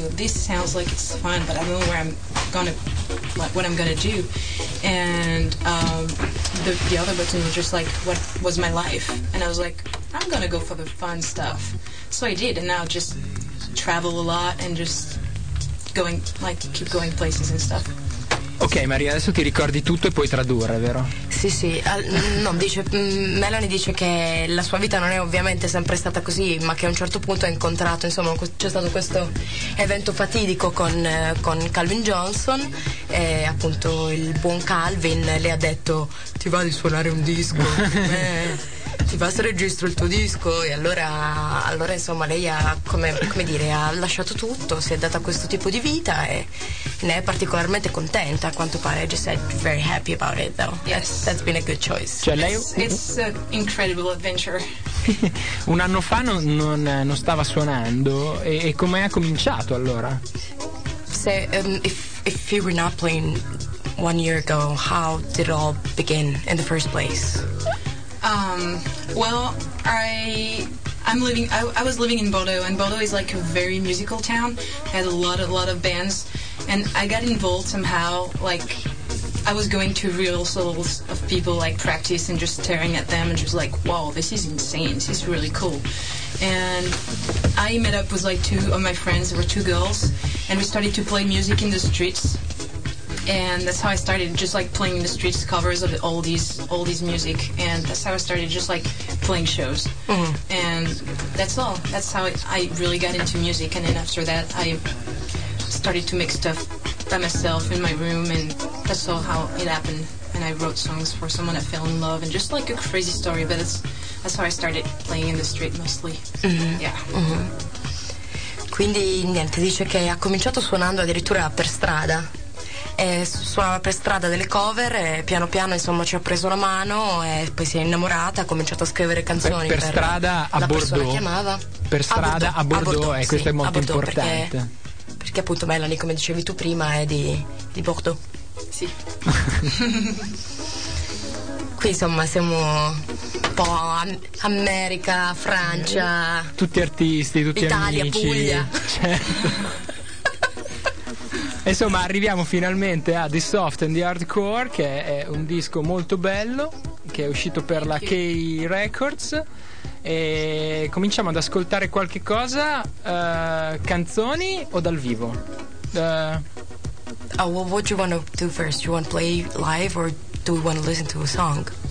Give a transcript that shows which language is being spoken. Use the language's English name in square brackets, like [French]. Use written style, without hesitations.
[English] This sounds like it's fun, but I don't know where I'm going to, like, what I'm going to do. And the other button was just, like, what was my life? And I was like, I'm going to go for the fun stuff. So I did, and now just travel a lot and just going, like, keep going places and stuff. [Italian] Ok, Maria, adesso ti ricordi tutto e puoi tradurre, vero? Sì, sì. Melanie dice che la sua vita non è ovviamente sempre stata così, ma che a un certo punto ha incontrato, insomma, c'è stato questo evento fatidico con Calvin Johnson, e appunto il buon Calvin le ha detto: ti va di suonare un disco? Ti va se registro il tuo disco? E allora insomma, lei ha, come dire, ha lasciato tutto, si è data a questo tipo di vita e ne è particolarmente contenta. A quanto pare, [English] just said very happy about it though. Yes, that's been a good choice. [Italian] Cioè, lei... [English] it's an incredible adventure. [Italian] Un anno fa non stava suonando e com'è cominciato allora? [English] So, if you were not playing one year ago, how did it all begin in the first place? Well, I was living in Bordeaux, and Bordeaux is like a very musical town. It has a lot of bands. And I got involved somehow, like, I was going to rehearsals of people, like, practice and just staring at them and just like, whoa, this is insane, this is really cool. And I met up with, like, two of my friends, there were two girls, and we started to play music in the streets. And that's how I started, just, like, playing in the streets, covers of all these music. And that's how I started just, like, playing shows. Mm-hmm. And that's all. That's how I really got into music. And then after that, I started to make stuff by myself in my room, and that's all how it happened. And I wrote songs for someone I fell in love, and just like a crazy story, but that's how I started playing in the street mostly. Mm-hmm. Yeah. Mm-hmm. [Italian] Quindi niente, dice che ha cominciato suonando addirittura per strada. E suonava per strada delle cover e piano piano insomma ci ha preso la mano e poi si è innamorata, ha cominciato a scrivere canzoni per strada a Bordeaux. Per strada a Bordeaux, e questo sì, è molto Bordeaux, importante. Perché appunto Melanie, come dicevi tu prima, è di Bordeaux. Sì. Qui insomma siamo un po' America, Francia. Tutti artisti, tutti Italia, amici. Italia, Puglia. Certo. Insomma, arriviamo finalmente a The Soft and the Hardcore, che è un disco molto bello, che è uscito per la K Records. E cominciamo ad ascoltare qualche cosa, canzoni o dal vivo? [English] Well, what do you want to do first? You want to play live or do you want to listen to a song?